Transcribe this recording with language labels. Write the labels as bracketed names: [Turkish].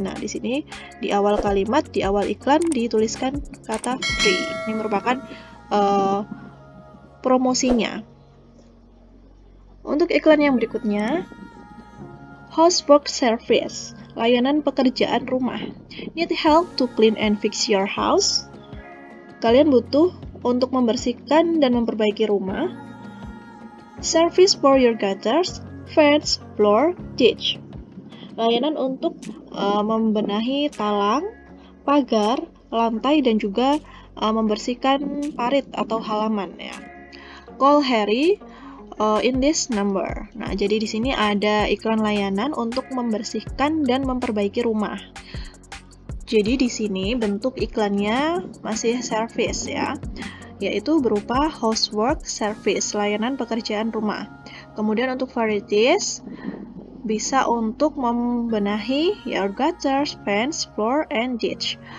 [Indonesian] Nah di sini di awal kalimat, di awal iklan dituliskan kata free. Ini merupakan promosinya. Untuk iklan yang berikutnya, housework service, layanan pekerjaan rumah. [English] Need help to clean and fix your house? [Indonesian] Kalian butuh untuk membersihkan dan memperbaiki rumah. [English] Service for your gutters, fence, floor, ditch. [Indonesian] Layanan untuk membenahi talang, pagar, lantai, dan juga membersihkan parit atau halaman ya. [English] Call Harry in this number. [Indonesian] Nah, jadi di sini ada iklan layanan untuk membersihkan dan memperbaiki rumah. Jadi di sini bentuk iklannya masih service ya, yaitu berupa housework service, layanan pekerjaan rumah. Kemudian untuk varieties, bisa untuk membenahi [English] your gutters, fence, floor, and ditch.